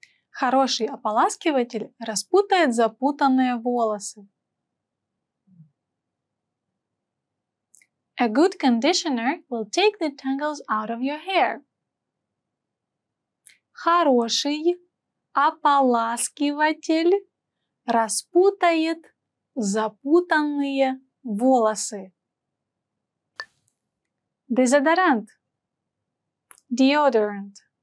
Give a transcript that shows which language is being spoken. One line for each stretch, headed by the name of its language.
Russian: Хороший ополаскиватель распутает запутанные волосы.
English: A good conditioner will take the tangles out of your hair.
Russian: Хороший ополаскиватель распутает запутанные волосы. Дезодорант.
English: Deodorant.